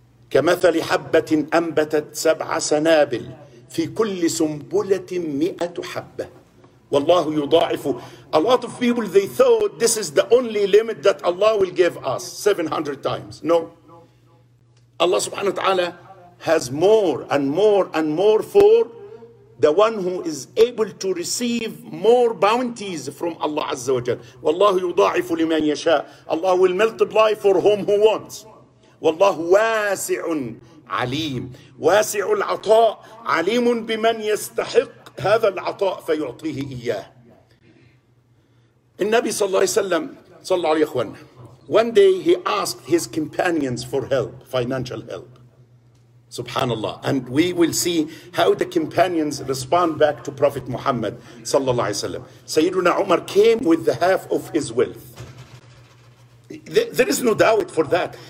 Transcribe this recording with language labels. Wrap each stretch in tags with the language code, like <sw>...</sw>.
<ar>كمثل حبة أنبتت سبع سنابل في كل سنبلة مئة حبة والله يضاعف.</ar> <en>A lot of people, they thought this is the only limit that Allah will give us, 700 times. No. Allah subhanahu wa ta'ala has more and more and more for the one who is able to receive more bounties from Allah Azza wa Jal.</en> <ar>والله يضاعف لمن يشاء.</ar> <en>Allah will multiply for whom who wants.</en> <ar>والله واسع عليم واسع العطاء عليم بمن يستحق هذا العطاء فيعطيه إياه. النبي صلى الله عليه وسلم</ar> <en>صلى الله عليه وسلم one day he asked his companions for help, financial help. Subhanallah. And we will see how the companions respond back to Prophet Muhammad صلى الله عليه وسلم. سيدنا عمر came with the half of his wealth. There is no doubt for that.</en>